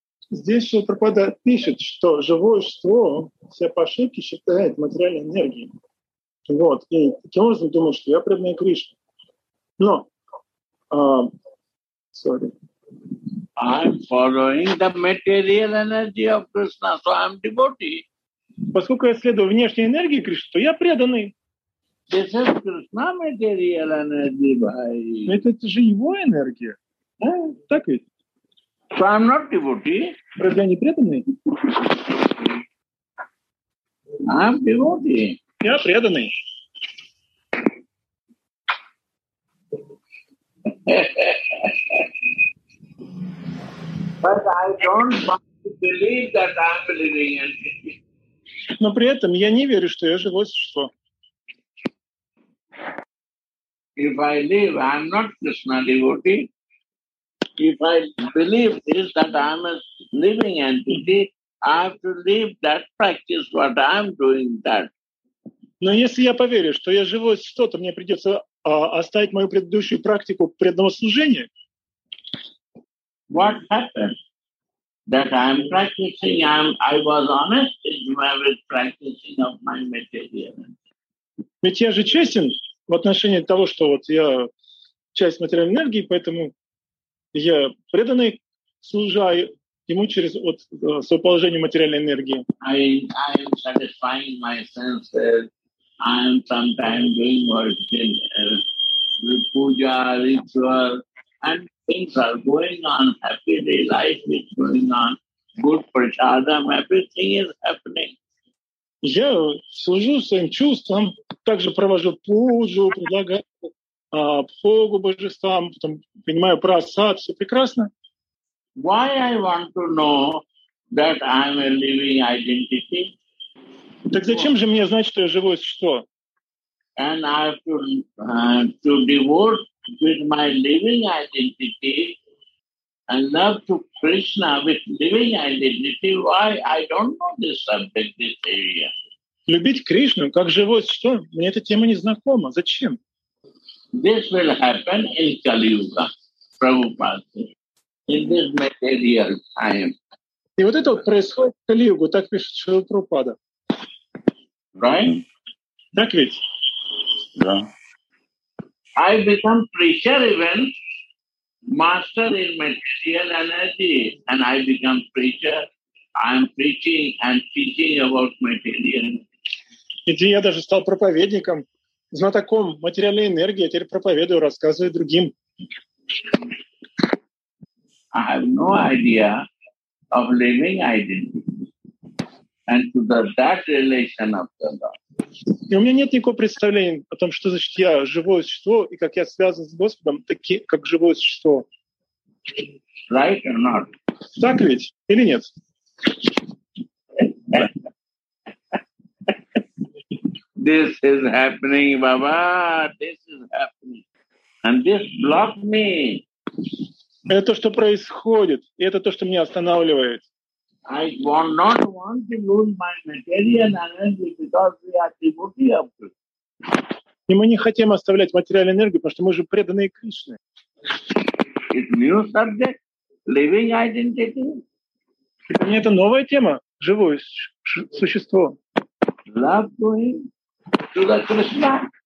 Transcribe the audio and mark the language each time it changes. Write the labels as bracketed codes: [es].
[ru] Здесь же Прабхупада пишет, что живое существо все по ошибке считает материальной энергией. Вот. И таким образом думает, что я преданный Кришне. Но, [en] I'm following the material energy of Krishna, so I'm devotee. [ru] Поскольку я следую внешней энергии Кришны, то я преданный. [en] This is Krishna material energy, bhai. [ru] Это же его энергия. Да? Так ведь? [en] So I'm not devotee. [ru] Разве я не преданный? [en] I'm devotee. [ru] Я преданный. [en] But I don't want to believe that I'm living anything. [ru] Но при этом я не верю, что я живое существо. [en] If I live, I'm not Krishna devotee. If I believe this, that I'm a living entity, I have to leave that practice what I'm doing that. [ru] Но если я поверю, что я живое существо, то мне придется оставить мою предыдущую практику преданного служения. [en] What happened? That I'm practicing, I was honest with practicing of my material. [ru] Ведь я же честен в отношении того, что вот я часть материальной энергии, поэтому я преданный служаю, ему через вот свое положение материальной энергии. [en] I'm satisfying my senses. I'm sometimes doing work in puja, ritual, and things are going on. Happy day life is going on. Good prasadam, everything is happening. [ru] Я служу своим чувствам, также провожу пуджу, предлагаю богу божествам, потом принимаю прасад, все прекрасно. [en] Why I want to know that I'm a living identity? [ru] Так зачем же мне знать, что я живое существо? [en] And I have to devote with my living identity and love to Krishna with living identity. Why I don't know this subject, this area? [ru] Любить Кришну как живое существо, мне эта тема не знакома. Зачем? [en] This will happen in Kali-Yuga, Prabhupada, in this material time. [ru] И вот это вот происходит в Кали-Югу, так пишет Шрила Прабхупада. [en] Right? [ru] Так ведь? Да. [en] I become preacher even, master in material energy, and I become preacher. I am preaching and teaching about material. [ru] Иди, я даже стал проповедником, знатоком материальной энергии, я теперь проповедую, рассказываю другим. [en] I have no idea of living identity and to that relation of the Lord. [ru] И у меня нет никакого представления о том, что значит я живое существо и как я связан с Господом, как живое существо. [en] Right or not? [ru] Так ведь? Или нет? [en] This is happening, Baba. This is happening. And this blocked me. [ru] Это то, что происходит. И это то, что меня останавливает. [en] I do not want to lose my material energy because we are devotees of Krishna. [ru] И мы не хотим оставлять материальную энергию, потому что мы же преданные Кришне. [en] It's new subject. Living identity. [ru] Мне это новая тема. Живое существо. [en] Love to him. To the Krishna.